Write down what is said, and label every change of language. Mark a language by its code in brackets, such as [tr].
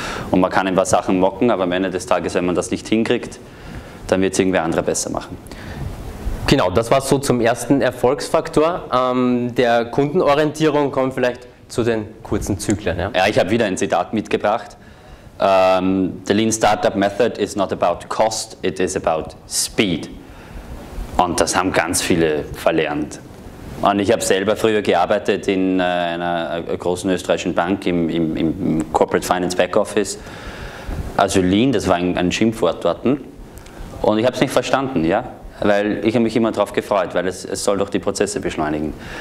[de] Und man kann ein paar Sachen mocken, aber am Ende des Tages, wenn man das nicht hinkriegt, dann wird es irgendwer andere besser machen. Genau, das war so zum ersten Erfolgsfaktor. Der Kundenorientierung kommt vielleicht zu den kurzen Zyklen. Ja, ich habe wieder ein Zitat mitgebracht. [en] The Lean Startup Method is not about cost, it is about speed. [de] Und das haben ganz viele verlernt. Und ich habe selber früher gearbeitet in einer großen österreichischen Bank im Corporate Finance Backoffice. Also Lean, das war ein Schimpfwort dort. Und ich habe es nicht verstanden, ja? Weil ich habe mich immer darauf gefreut, weil es soll doch die Prozesse beschleunigen.